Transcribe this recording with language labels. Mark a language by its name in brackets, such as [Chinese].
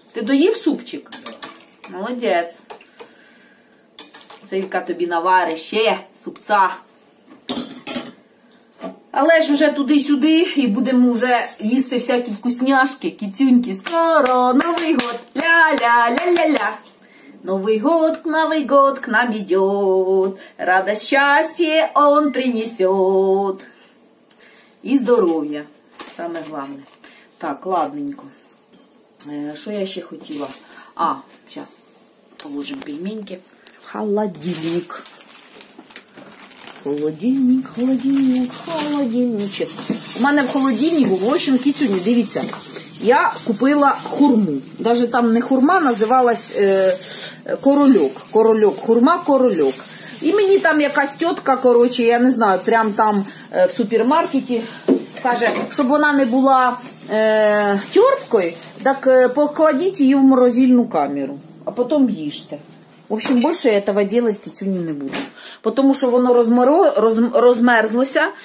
[Ukrainian] Ти доїв супчик? Так. Да. Молодець. Це Ілька тобі наварить ще супця. Але ж уже туди-сюди, і будемо вже їсти всякі вкусняшки, кіцюньки. Скоро Новий год, ля-ля-ля-ля-ля. [Russian] Новый год к нам идет, радость, счастье он принесет. И здоровье, самое главное. Так, ладненько. Что я еще хотела? А, сейчас положим пельменьки. Холодильник. Холодильник, холодильник, холодильничек. У меня в холодильнике, в общем, кицюни, [Ukrainian] дивіться. [Russian] Я купила хурму. Даже там не хурма, [Ukrainian] називалась корольок. Корольок, хурма, корольок. І мені там якась тітка, коротше, я не знаю, прям там в супермаркеті каже, щоб вона не була тверкою, так покладіть її в морозильну камеру, а потім їжте. [Russian] В общем, больше я этого делать кицюню не буду. Потому что [Ukrainian] воно розмерзлося.